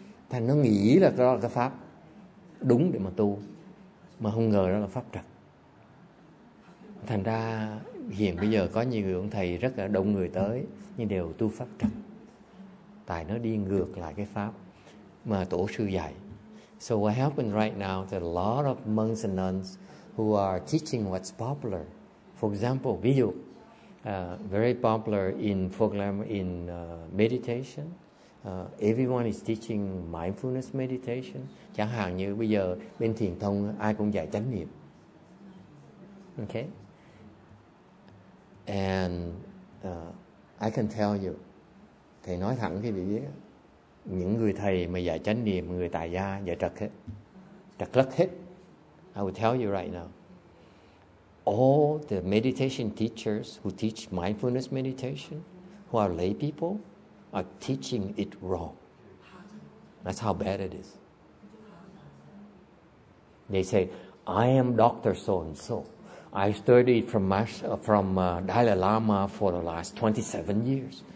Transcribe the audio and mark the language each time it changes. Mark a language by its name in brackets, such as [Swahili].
[Vietnamese] Thành nó nghĩ là đó là cái pháp đúng để mà tu, mà không ngờ đó là pháp trật. Thành ra hiện bây giờ có nhiều người ông thầy rất là đông người tới, nhưng đều tu pháp trật, tại nó đi ngược lại cái pháp mà tổ sư dạy. [English] So what happened right now, there are a lot of monks and nuns who are teaching what's popular. For example, [Vietnamese] ví dụ, [English] very popular in program in meditation. Everyone is teaching mindfulness meditation. [Vietnamese] Chẳng hạn như bây giờ bên thiền thông ai cũng dạy chánh niệm. Okay? [English] And I can tell you, [Vietnamese] thầy nói thẳng cái gì biết, những người thầy mà dạy chánh niệm, người tại gia dạy trật hết, trật lất hết. [English] I will tell you right now, all the meditation teachers who teach mindfulness meditation, who are lay people, are teaching it wrong. That's how bad it is. They say, I am Dr. So-and-so. I studied from Dalai Lama for the last 27 years.